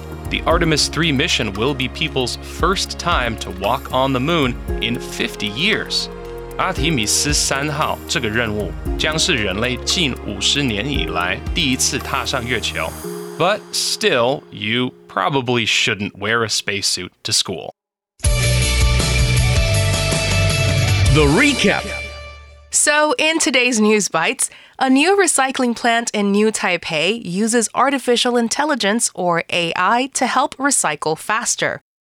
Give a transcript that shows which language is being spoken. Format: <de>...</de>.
<en>The Artemis 3 mission will be people's first time to walk on the moon in 50 years.</en> <zh>阿提米斯三号这个任务将是人类近五十年以来第一次踏上月球。</zh> <en>But still, you probably shouldn't wear a spacesuit to school. The recap. So in today's News Bites, a new recycling plant in New Taipei uses artificial intelligence or AI to help recycle faster.</en>